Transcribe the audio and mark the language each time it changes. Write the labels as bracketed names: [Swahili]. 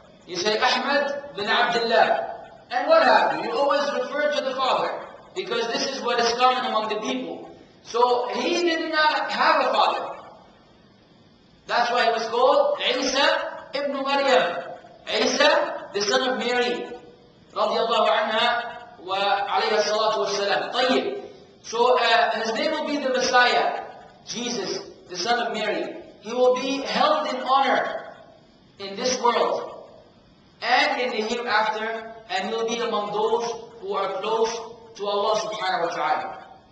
[English] You say Ahmed bin Abdullah. And what have you? You always refer to the father because this is what is common among the people. So he did not have a father. That's why he was called Isa ibn Maryam. Isa, the son of Mary. [Arabic] رضي الله عنها وعليه الصلاة والسلام. طيب. [English] So his name will be the Messiah, Jesus, the son of Mary. He will be held in honor in this world and in the hereafter, and he will be among those who are close to Allah subhanahu wa ta'ala.